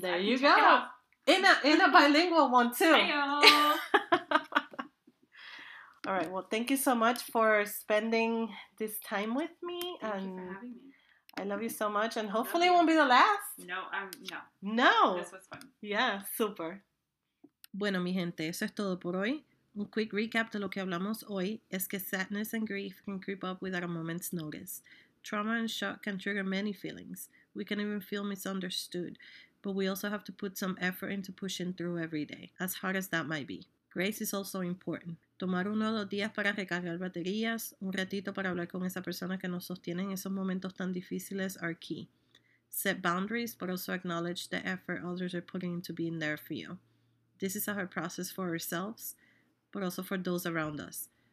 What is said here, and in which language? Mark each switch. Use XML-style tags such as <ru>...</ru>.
<en>There you go. In a bilingual one, too. Hey-o. All right. Well, thank you so much for spending this time with me. Thank you for having me. I love you so much, and hopefully it won't be the last. No. This was fun. Yeah, super.</en> <es>Bueno, mi gente, eso es todo por hoy. Un</es> <en>quick recap</en> <es>de lo que hablamos hoy es que</es> <en>sadness and grief can creep up without a moment's notice. Trauma and shock can trigger many feelings. We can even feel misunderstood, but we also have to put some effort into pushing through every day, as hard as that might be. Grace is also important.</en> <es>Tomar uno o dos días para recargar baterías, un ratito para hablar con esa persona que nos sostiene en esos momentos tan difíciles</es> <en>are key. Set boundaries, but also acknowledge the effort others are putting into being there for you. This is a hard process for ourselves, but also for those around us.</en>